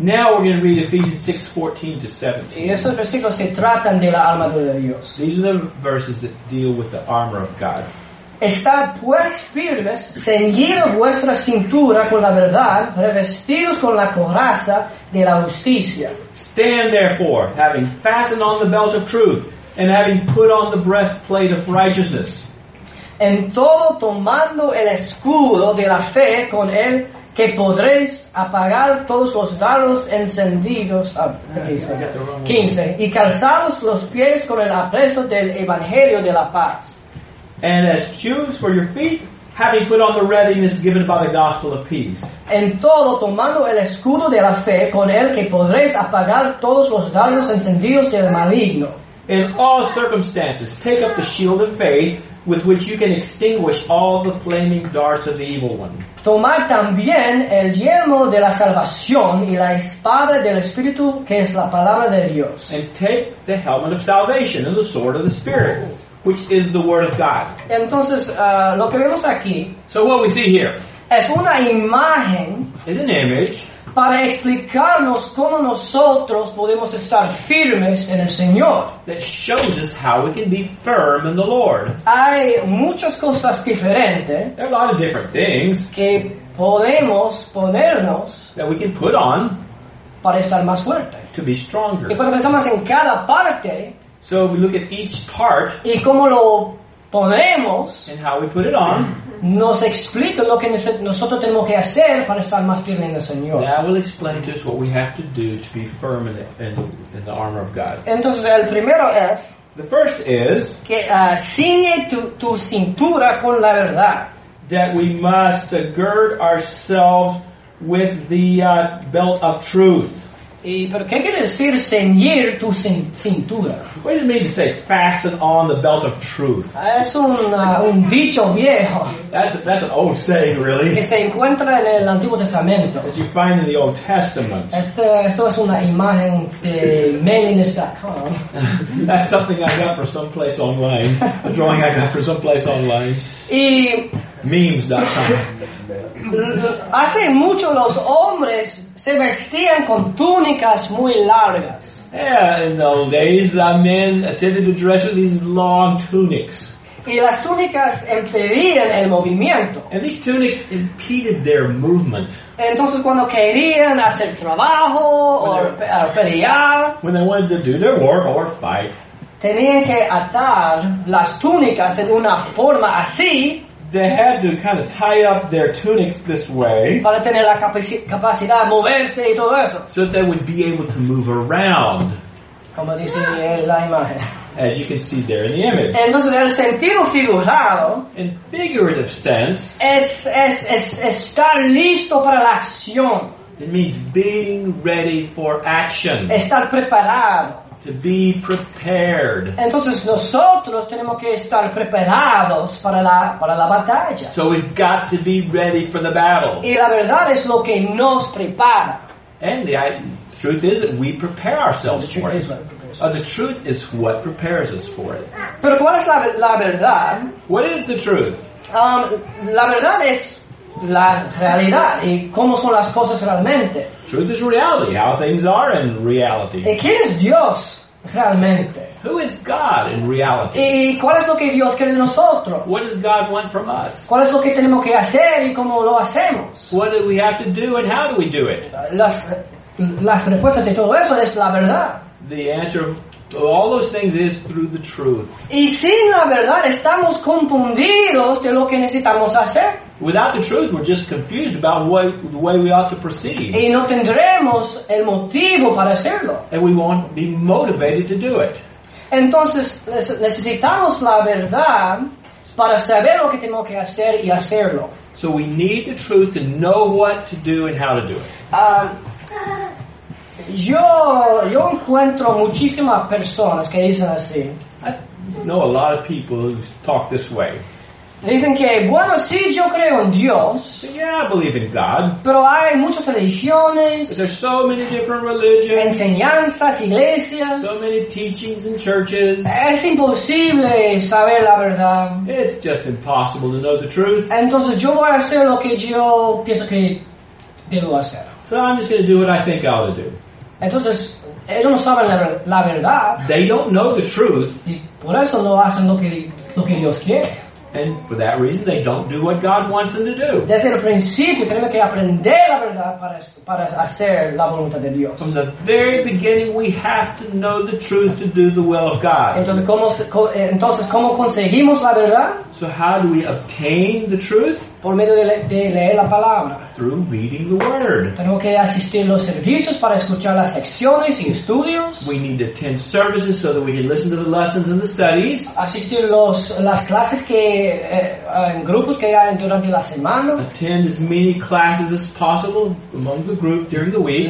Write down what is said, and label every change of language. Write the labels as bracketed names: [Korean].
[English] Now we're going to read Ephesians 6, 14 to 17. [Spanish] Y estos versículos se tratan de la armadura de Dios. [English] These are the verses that deal with the armor of God. [Spanish] Estad pues firmes, ceñidos vuestra cintura con la verdad, revestidos con la coraza de la justicia. [English] Stand therefore, having fastened on the belt of truth, and having put on the breastplate of righteousness. [Spanish] En todo tomando el escudo de la fe con él, que podréis apagar todos los dardos encendidos. 15. Y calzados los pies con el apresto del evangelio de la paz. [English] And as shoes for your feet, having put on the readiness given by the gospel of peace. [Spanish] En todo tomando el escudo de la fe, con el que podréis apagar todos los dardos encendidos del maligno. [English] In all circumstances, take up the shield of faith, with which you can extinguish all the flaming darts of the evil one. [Spanish] Tomar también el yelmo de la salvación y la espada del Espíritu, que es la palabra de Dios. [English] And take the helmet of salvation and the sword of the Spirit. Which is the Word of God. [Spanish] Entonces, lo que vemos aquí, [English] so what we see here [Spanish] es una imagen, [English] is an image [Spanish] para explicarnos cómo nosotros podemos estar firmes en el Señor. [English] That shows us how we can be firm in the Lord. [Spanish] Hay muchas cosas diferentes, [English] there are a lot of different things [Spanish] que podemos ponernos, [English] that we can put on [Spanish] para estar más fuerte, [English] to be stronger. [Spanish] Y cuando pensamos en cada parte, [English] so we look at each part, [Spanish] y cómo lo ponemos, [English] and how we put it on, [Spanish] nos explica lo que nosotros tenemos que hacer para estar más firmes en el Señor. [English] That will explain to us what we have to do to be firm in the armor of God. [Spanish] Entonces, el primero es, [English] the first is, [Spanish] que ciñe tu cintura con la verdad. [English] That we must gird ourselves with the belt of truth. [Spanish] ¿Y pero qué quiere decir ceñir tu cintura? [English] What does it mean to say fasten on the belt of truth? [Spanish] Es un dicho viejo. [English] That's an old saying, really. [Spanish] Que se encuentra en el Antiguo Testamento. [English] That you find in the Old Testament. [Spanish] Esto es una imagen de manliness.com. [English] That's something I got for someplace online. A drawing I got for someplace online. [Spanish] Y memes.com. Hace mucho los hombres se vestían con túnicas muy largas. [English] Yeah, in the old days, men tended to dress with these long tunics. [Spanish] Y las túnicas impedían el movimiento. [English] And these tunics impeded their movement. [Spanish] Entonces, cuando querían hacer trabajo o pelear, [English] when they wanted to do their work or fight, [Spanish] tenían que atar las túnicas en una forma así. [English] They had to kind of tie up their tunics this way, [Spanish] para tener la capacidad de moverse y todo eso, [English] so that they would be able to move around. [Spanish] Como dice la imagen. [English] As you can see there in the image. [Spanish] Entonces, el sentido figurado, [English] in figurative sense, [Spanish] es estar listo para la acción. [English] It means being ready for action. [Spanish] Estar preparado. [English] To be prepared. [Spanish] Entonces nosotros tenemos que estar preparados para la batalla. [English] So we've got to be ready for the battle. [Spanish] Y la verdad es lo que nos prepara. [English] And the truth is that we prepare ourselves for it. What prepares us. The truth is what prepares us for it. [Spanish] Pero ¿cuál es la verdad? [English] What is the truth? [Spanish] La verdad es la realidad y cómo son las cosas realmente. [English] Truth is reality, how things are in reality. [Spanish] ¿Y quién es Dios realmente? [English] Who is God in reality? [Spanish] ¿Y cuál es lo que Dios quiere de nosotros? [English] What does God want from us? [Spanish] ¿Cuál es lo que tenemos que hacer y cómo lo hacemos? [English] What do we have to do and how do we do it? [Spanish] Las respuestas de todo eso es la verdad. [English] The answer of all those things is through the truth. [Spanish] Y sin la verdad estamos confundidos de lo que necesitamos hacer. [English] Without the truth, we're just confused about what the way we ought to proceed. [Spanish] Y no tendremos el motivo para hacerlo. [English] And we won't be motivated to do it. [Spanish] Entonces, necesitamos la verdad para saber lo que tengo que hacer y hacerlo. [English] So we need the truth to know what to do and how to do it. [Spanish] Yo encuentro muchísimas personas que dicen así. [English] I know a lot of people who talk this way. [Spanish] Dicen que, bueno, sí, yo creo en Dios. [English] Yeah, I believe in God. [Spanish] Pero hay muchas religiones. [English] But there's so many different religions. [Spanish] Enseñanzas, iglesias. [English] So many teachings and churches. [Spanish] Es imposible saber la verdad. [English] It's just impossible to know the truth. [Spanish] Entonces yo voy a hacer lo que yo pienso que debo hacer. [English] So I'm just going to do what I think I ought to do. [Spanish] Entonces, ellos no saben la verdad. [English] They don't know the truth. [Spanish] Y por eso no hacen lo que Dios quiere. [English] And for that reason, they don't do what God wants them to do. [Spanish] Desde el principio, tenemos que aprender la verdad para hacer la voluntad de Dios. [English] From the very beginning, we have to know the truth to do the will of God. [Spanish] Entonces, ¿cómo conseguimos la verdad? [English] So how do we obtain the truth? [Spanish] Por medio de leer la palabra. [English] Through reading the Word. [Spanish] Tenemos que asistir los servicios para escuchar las lecciones y estudios. [English] We need to attend services so that we can listen to the lessons and the studies. [Spanish] Asistir las clases que en grupos que hay durante la semana. [English] Attend as many classes as possible among the group during the week.